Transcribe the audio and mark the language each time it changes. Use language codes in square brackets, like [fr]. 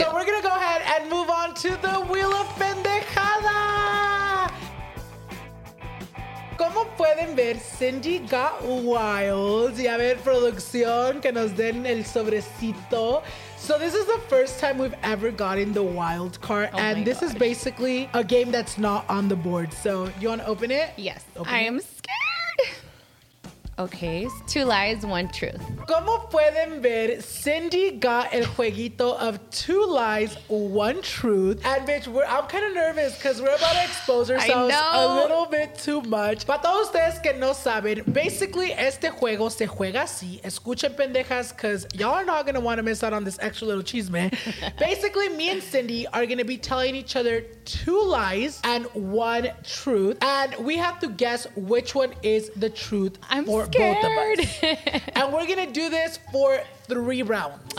[en] So we're going to go ahead and move on to the Wheel of Pendejada. [es] Como pueden ver, Cindy [en] got wild. [es] Y a ver, producción, que nos den el sobrecito. [en] So this is the first time we've ever gotten the wild card. Oh, and this gosh. Is basically a game that's not on the board. So you want to open it? Yes. Open it. Am scared. Okay, two lies, one truth. [es] Como pueden ver, [en] Cindy got [es] el jueguito [en] of two lies, one truth. And bitch, I'm kind of nervous because we're about to expose ourselves a little bit too much. [es] Para todos ustedes que no saben, basically, este juego se juega así. Escuchen, pendejas, [en] because y'all are not going to want to miss out on this extra little chisme. Basically, me and Cindy are going to be telling each other two lies and one truth. And we have to guess which one is the truth. I'm scared. And we're gonna do this for 3 rounds.